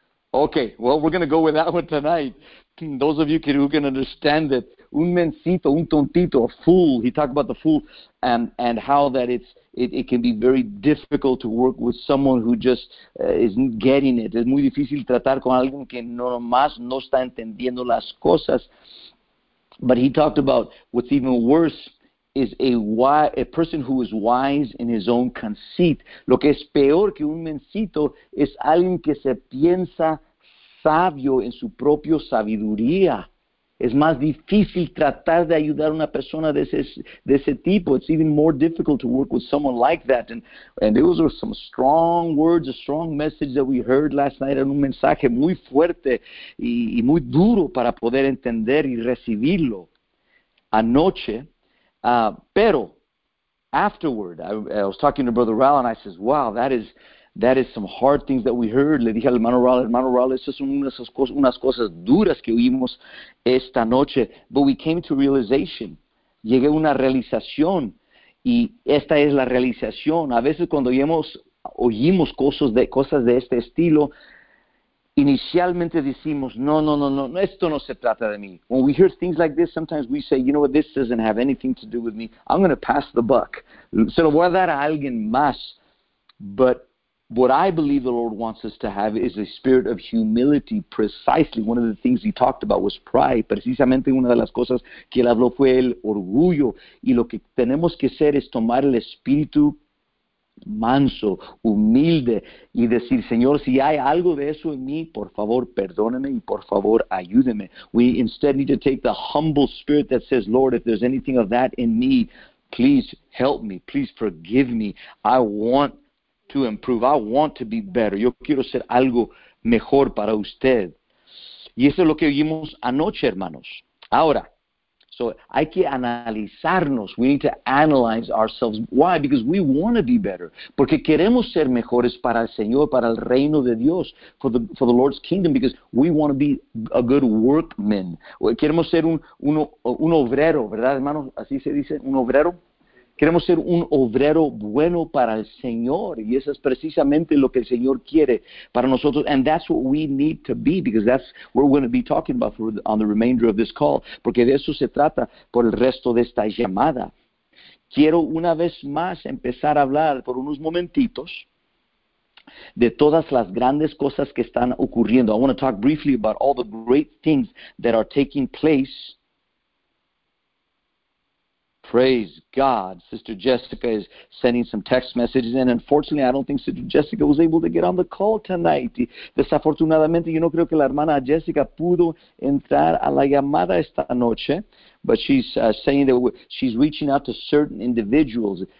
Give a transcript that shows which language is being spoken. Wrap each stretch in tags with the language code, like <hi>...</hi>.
<en>Okay, well, we're going to go with that one tonight. Those of you who can understand it,</en> <es>un mencito, un tontito,</es> <en>a fool. He talked about the fool and how that it can be very difficult to work with someone who just isn't getting it.</en> <es>Es muy difícil tratar con alguien que nomás no está entendiendo las cosas.</es> <en>But he talked about what's even worse is a person who is wise in his own conceit.</en> <es>Lo que es peor que un mencito es alguien que se piensa sabio en su propia sabiduría. Es más difícil tratar de ayudar a una persona de ese tipo.</es> <en>It's even more difficult to work with someone like that. And those are some strong words, a strong message that we heard last night.</en> <es>Era un mensaje muy fuerte y muy duro para poder entender y recibirlo. Anoche, pero</es> <en>afterward, I was talking to Brother Raul, and I says, wow, that is some hard things that we heard.</en> <es>Le dije al hermano Raul, esas son unas cosas duras que oímos esta noche.</es> <en>But we came to realization.</en> <es>Llegué a una realización, y esta es la realización. A veces cuando oímos cosas de este estilo, inicialmente decimos, no, esto no se trata de mí.</es> <en>When we hear things like this, sometimes we say, you know what, this doesn't have anything to do with me. I'm going to pass the buck.</en> <es>Se lo voy a dar a alguien más.</es> <en>But what I believe the Lord wants us to have is a spirit of humility. Precisely, one of the things he talked about was pride.</en> <es>Precisamente una de las cosas que él habló fue el orgullo. Y lo que tenemos que hacer es tomar el espíritu manso, humilde, y decir, Señor, si hay algo de eso en mí, por favor, perdóname y por favor, ayúdeme.</es> <en>We instead need to take the humble spirit that says, Lord, if there's anything of that in me, please help me, please forgive me. I want to improve, I want to be better.</en> <es>Yo quiero ser algo mejor para usted. Y eso es lo que oímos anoche, hermanos. Ahora, so hay que analizarnos.</es> <en>We need to analyze ourselves. Why? Because we want to be better.</en> <es>Porque queremos ser mejores para el Señor, para el reino de Dios,</es> <en>for the Lord's kingdom, because we want to be a good workman.</en> <es>Queremos ser un obrero, ¿verdad, hermanos? Así se dice, un obrero. Queremos ser un obrero bueno para el Señor. Y eso es precisamente lo que el Señor quiere para nosotros.</es> <en>And that's what we need to be, because that's what we're going to be talking about on the remainder of this call.</en> <es>Porque de eso se trata por el resto de esta llamada. Quiero una vez más empezar a hablar por unos momentitos de todas las grandes cosas que están ocurriendo.</es> <en>I want to talk briefly about all the great things that are taking place. Praise God. Sister Jessica is sending some text messages, and unfortunately, I don't think Sister Jessica was able to get on the call tonight.</en> <es>Desafortunadamente, yo no creo que la hermana Jessica pudo entrar a la llamada esta noche,</es> <en>but she's saying that she's reaching out to certain individuals.</en>